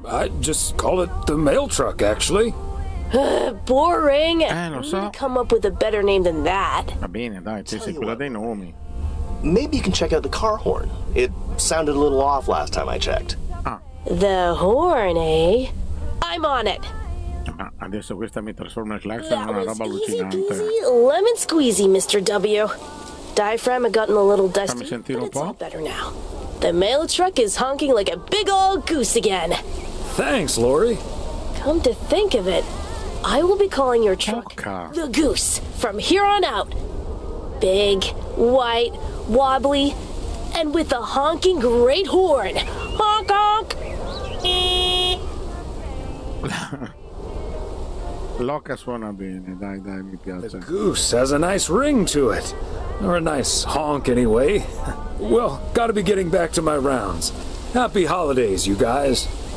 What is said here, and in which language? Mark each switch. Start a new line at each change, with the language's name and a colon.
English: I just call it the mail truck, actually. Boring.
Italian: Lo so.
English: Come up with a better name than that.
Italian: Va bene, dai, te sei quella dei nomi.
English: Maybe you can check out the car horn. It sounded a little off last time I checked. Ah. The horn, eh? I'm on it.
Italian: Ma adesso questa mi trasforma il clacson in una roba allucinante.
English: Easy, easy, lemon squeezy, Mr. W. Diaphragm had gotten a little dusty, but it's all better now. The mail truck is honking like a big old goose again. Thanks, Lori. Come to think of it, I will be calling your truck the Goose from here on out. Big, white, wobbly, and with a honking great horn. Honk, honk!
Italian: Loca suona bene, dai, dai, mi piace.
English: The Goose has a nice ring to it. Or a nice honk, anyway. Well, gotta be getting back to my rounds. Happy holidays, you guys.